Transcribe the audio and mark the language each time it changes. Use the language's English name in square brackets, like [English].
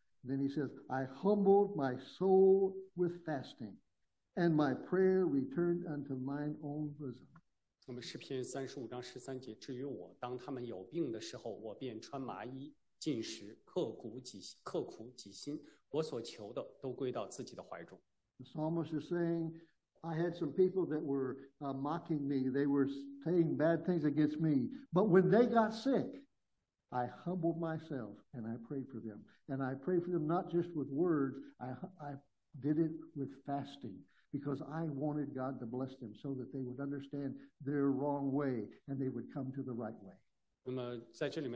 [English] Then he says, I humbled my soul with fasting, and my prayer returned unto mine own bosom. [Chinese] 那么诗篇35:13节, 至于我，当他们有病的时候，我便穿麻衣，进食，刻苦己心，我所求的都归到自己的怀中。 [English] The psalmist is saying, I had some people that were mocking me. They were saying bad things against me. But when they got sick, I humbled myself and I prayed for them. And I prayed for them not just with words, I did it with fasting because I wanted God to bless them so that they would understand their wrong way and they would come to the right way.